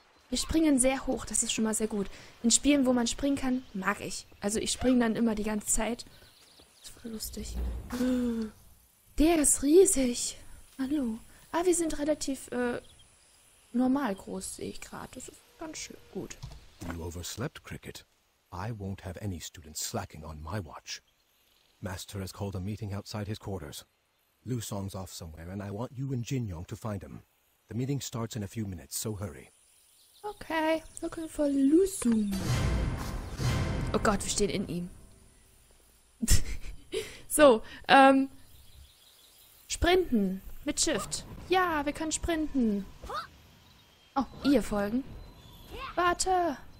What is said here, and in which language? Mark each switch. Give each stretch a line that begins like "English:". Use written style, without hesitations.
German: Wir springen sehr hoch, das ist schon mal sehr gut. In Spielen, wo man springen kann, mag ich. Also ich springe dann immer die ganze Zeit. Das ist voll lustig. Der ist riesig. Hallo. Ah, wir sind relativ normal groß, sehe ich gerade. Das ist ganz schön gut.
English: You overslept, Cricket. I won't have any students slacking on my watch. Master has called a meeting outside his quarters. Lu Song's off somewhere, and I want you and Jin Yong to find him. The meeting starts in a few minutes, so hurry. Okay, looking for Lu Song.
German: Oh Gott, wir stehen in ihm. So, sprinten mit Shift. Ja, wir können sprinten. Oh, ihr folgen. Warte.